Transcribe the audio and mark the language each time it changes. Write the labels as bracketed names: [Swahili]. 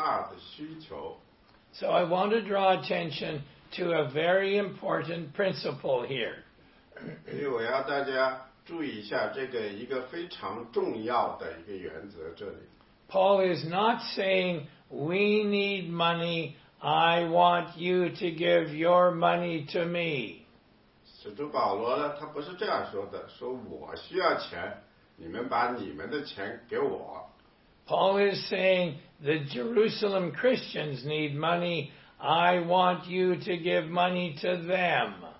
[Chinese] 和罗马政府当时给他们加上的苦难，他们在耶路撒冷的那些圣徒非常穷，有非常大的需求。 [English] So I want to draw attention to a very important principle here. [Chinese] 所以我要大家注意一下这个一个非常重要的一个原则这里。Paul [English] is not saying we need money. I want you to give your money to me. [Chinese] 使徒保罗呢，他不是这样说的，说我需要钱，你们把你们的钱给我。Paul [English] is saying the Jerusalem Christians need money. I want you to give money to them.